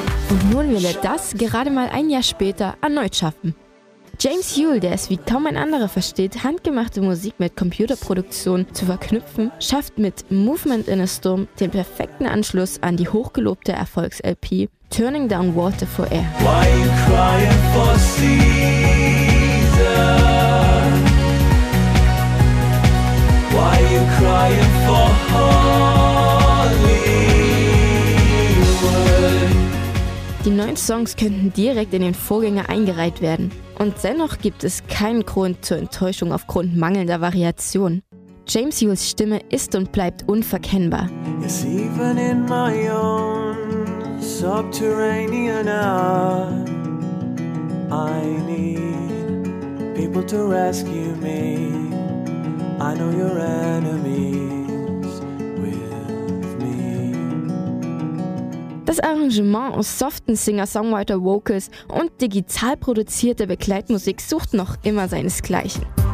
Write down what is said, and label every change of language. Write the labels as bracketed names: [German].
[German] Und nun will er das, gerade mal ein Jahr später, erneut schaffen. James Huell, der es wie kaum ein anderer versteht, handgemachte Musik mit Computerproduktion zu verknüpfen, schafft mit Movement in a Storm den perfekten Anschluss an die hochgelobte Erfolgs-LP Turning Down Water for Air. [English] Why you crying for season? Why you crying for Hollywood? [German] Die neuen Songs könnten direkt in den Vorgänger eingereiht werden. Und dennoch gibt es keinen Grund zur Enttäuschung aufgrund mangelnder Variation. James Hughes Stimme ist und bleibt unverkennbar. [English] Yes, even in my own subterranean I need people to rescue me. I know your enemies with me. [German] Das Arrangement aus soften Singer-Songwriter-Vocals und digital produzierter Begleitmusik sucht noch immer seinesgleichen.